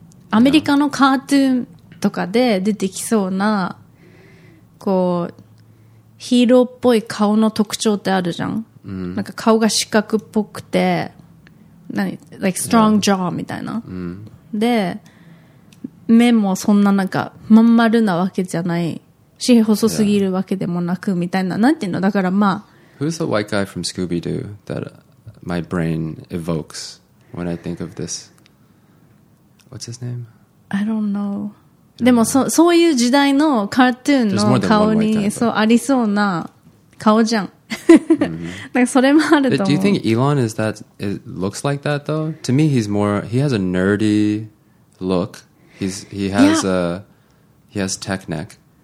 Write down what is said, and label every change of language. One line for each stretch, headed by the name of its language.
Japanese: アメリカのカートゥーンとかで出てきそうなこうヒーローっぽい顔の特徴ってあるじゃん。なんか顔が四角っぽくて何
English: like strong jaw
Japanese: みたいな、で目もそんななんかまん丸なわけじゃないし細すぎるわけでもなくみたいな、なんていうの、だからまあ
English: Who's the white guy from Scooby-Doo that my brain evokes when I think of this? What's his name? I don't know.
Japanese: でもそういう時代のカートゥーンの顔にそうありそうな顔じゃん。
English: Do you think Elon is that? It looks like that though. To me, he's more. He has a nerdy look. He has tech neck.